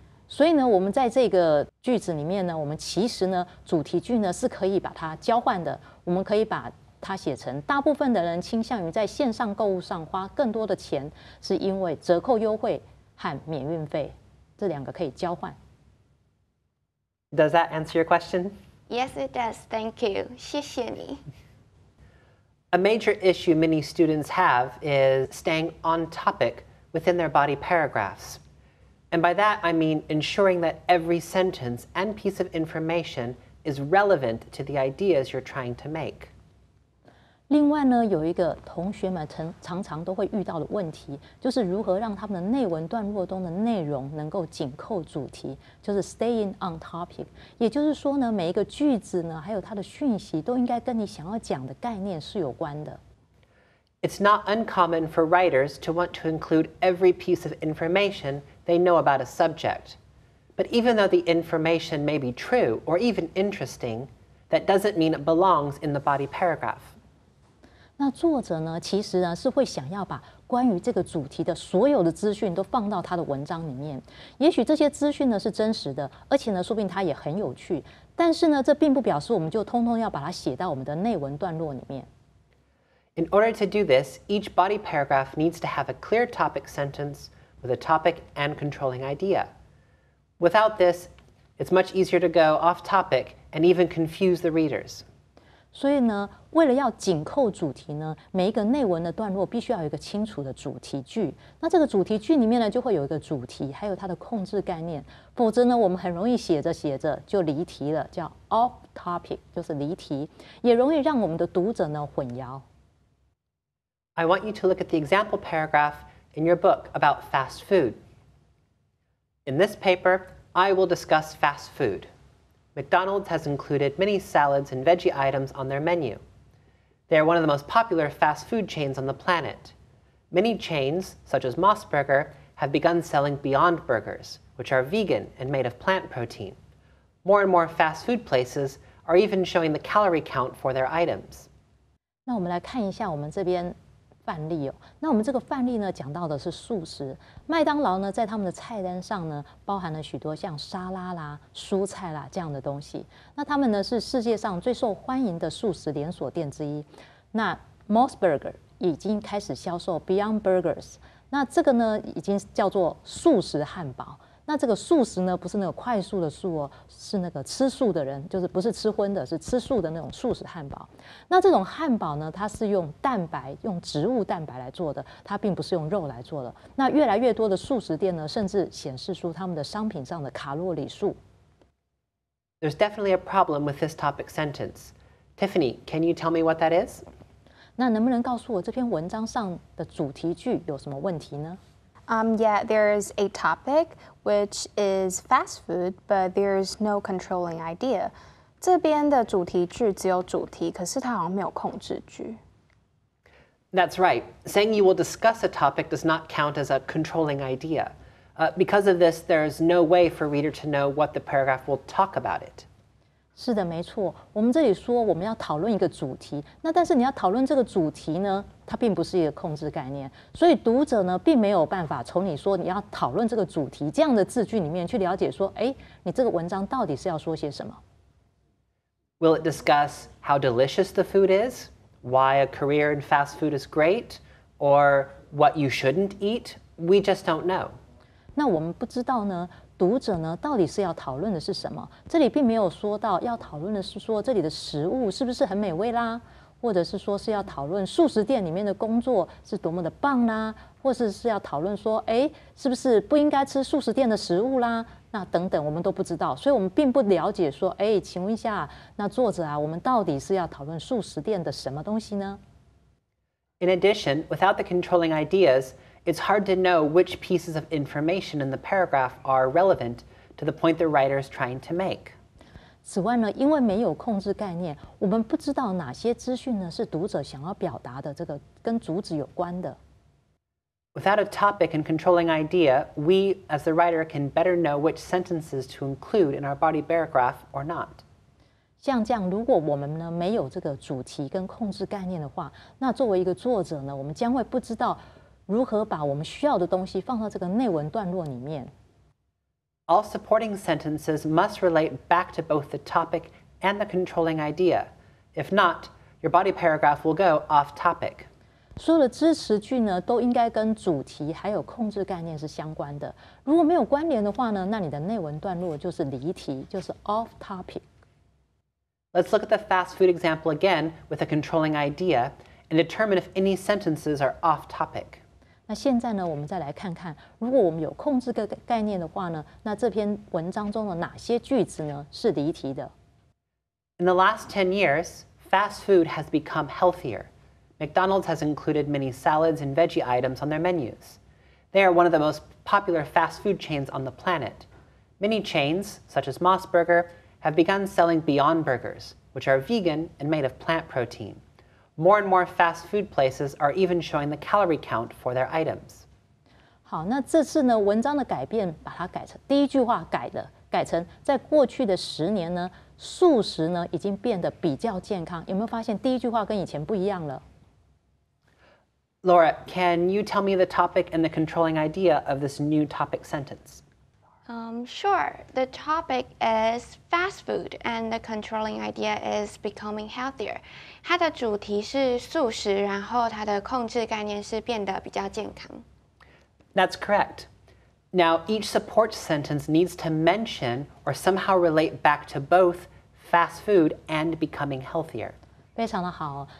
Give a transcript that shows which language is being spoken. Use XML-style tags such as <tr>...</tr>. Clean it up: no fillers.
<zh>所以呢，我们在这个句子里面呢，我们其实呢，主题句呢是可以把它交换的。我们可以把它写成：大部分的人倾向于在线上购物上花更多的钱，是因为折扣优惠和免运费这两个可以交换。</zh> <en>Does that answer your question? Yes, it does. Thank you.</en> <zh>谢谢你。</zh> <en>A major issue many students have is staying on topic within their body paragraphs. And by that, I mean ensuring that every sentence and piece of information is relevant to the ideas you're trying to make.</en> <zh>另外呢，有一个同学们常常都会遇到的问题，就是如何让他们的内文段落中的内容能够紧扣主题，就是</zh> <en>staying on topic.</en> <zh>也就是说呢，每一个句子呢，还有它的讯息，都应该跟你想要讲的概念是有关的。</zh> <en>It's not uncommon for writers to want to include every piece of information they know about a subject. But even though the information may be true or even interesting, that doesn't mean it belongs in the body paragraph.</en> <zh>那作者呢，其实呢，是会想要把关于这个主题的所有的资讯都放到他的文章里面。也许这些资讯呢是真实的，而且呢，说不定它也很有趣。但是呢，这并不表示我们就通通要把它写到我们的内文段落里面。</zh> <en>In order to do this, each body paragraph needs to have a clear topic sentence with a topic and controlling idea. Without this, it's much easier to go off topic and even confuse the readers.</en> <zh>所以呢，为了要紧扣主题呢，每一个内文的段落必须要有一个清楚的主题句。那这个主题句里面呢，就会有一个主题，还有它的控制概念。否则呢，我们很容易写着写着就离题了，叫</zh> <en>off topic，</en> <zh>就是离题，也容易让我们的读者呢混淆。</zh> <en>I want you to look at the example paragraph in your book about fast food. In this paper, I will discuss fast food. McDonald's has included many salads and veggie items on their menu. They are one of the most popular fast food chains on the planet. Many chains, such as Mos Burger, have begun selling Beyond Burgers, which are vegan and made of plant protein. More and more fast food places are even showing the calorie count for their items.</en> <zh>那我们来看一下我们这边范例哦，那我们这个范例呢，讲到的是素食。麦当劳呢，在他们的菜单上呢，包含了许多像沙拉啦、蔬菜啦这样的东西。那他们呢，是世界上最受欢迎的素食连锁店之一。那 Mos Burger 已经开始销售 Beyond Burgers， 那这个呢，已经叫做素食汉堡。那这个素食呢，不是那个快速的素哦，是那个吃素的人，就是不是吃荤的，是吃素的那种素食汉堡。那这种汉堡呢，它是用蛋白，用植物蛋白来做的，它并不是用肉来做的。那越来越多的素食店呢，甚至显示出他们的商品上的卡路里数。</zh> <en>There's definitely a problem with this topic sentence. Tiffany, can you tell me what that is?</en> <zh>那能不能告诉我这篇文章上的主题句有什么问题呢？</zh> <en>Yeah, there is a topic, which is fast food, but there is no controlling idea.</en> <zh>这边的主题句只有主题，可是它好像没有控制句。</zh> <en>That's right. Saying you will discuss a topic does not count as a controlling idea. Because of this, there is no way for a reader to know what the paragraph will talk about it.</en> <zh>是的，没错。我们这里说我们要讨论一个主题，那但是你要讨论这个主题呢，它并不是一个控制概念，所以读者呢并没有办法从你说你要讨论这个主题这样的字句里面去了解说，哎，你这个文章到底是要说些什么</zh> <en>？Will it discuss how delicious the food is, why a career in fast food is great, or what you shouldn't eat? We just don't know.</en> <zh>那我们不知道呢。读者呢，到底是要讨论的是什么？这里并没有说到要讨论的是说这里的食物是不是很美味啦，或者是说是要讨论素食店里面的工作是多么的棒啦，或者是要讨论说，哎，是不是不应该吃素食店的食物啦？那等等，我们都不知道，所以我们并不了解说，哎，请问一下，那作者啊，我们到底是要讨论素食店的什么东西呢</zh> <en>In addition, without the controlling ideas, it's hard to know which pieces of information in the paragraph are relevant to the point the writer is trying to make.</en> <zh>此外呢，因为没有控制概念，我们不知道哪些资讯呢是读者想要表达的，这个跟主旨有关的。</zh> <en>Without a topic and controlling idea, we, as the writer, can better know which sentences to include in our body paragraph or not.</en> <zh>像这样，如果我们呢没有这个主题跟控制概念的话，那作为一个作者呢，我们将会不知道如何把我们需要的东西放到这个内文段落里面。</zh> <en>All supporting sentences must relate back to both the topic and the controlling idea. If not, your body paragraph will go off topic.</en> <zh>所有的支持句呢，都应该跟主题还有控制概念是相关的。如果没有关联的话呢，那你的内文段落就是离题，就是</zh> <en>off topic. Let's look at the fast food example again with a controlling idea and determine if any sentences are off topic.</en> <zh>那现在呢，我们再来看看，如果我们有控制概念的话呢，那这篇文章中的哪些句子呢是离题的</zh> <en>？In the last 10 years, fast food has become healthier. McDonald's has included many salads and veggie items on their menus. They are one of the most popular fast food chains on the planet. Many chains, such as Mos Burger, have begun selling Beyond Burgers, which are vegan and made of plant protein. More and more fast food places are even showing the calorie count for their items.</en> <zh>好，那这次呢，文章的改变把它改成第一句话改成在过去的十年呢，素食呢已经变得比较健康。有没有发现第一句话跟以前不一样了</zh> <en>？Laura, can you tell me the topic and the controlling idea of this new topic sentence? Sure. The topic is fast food, and the controlling idea is becoming healthier.</en> <zh>它的主题是素食，然后它的控制概念是变得比较健康。</zh> <en>That's correct. Now, each support sentence needs to mention or somehow relate back to both fast food and becoming healthier.</en> <zh>非常的好。</zh>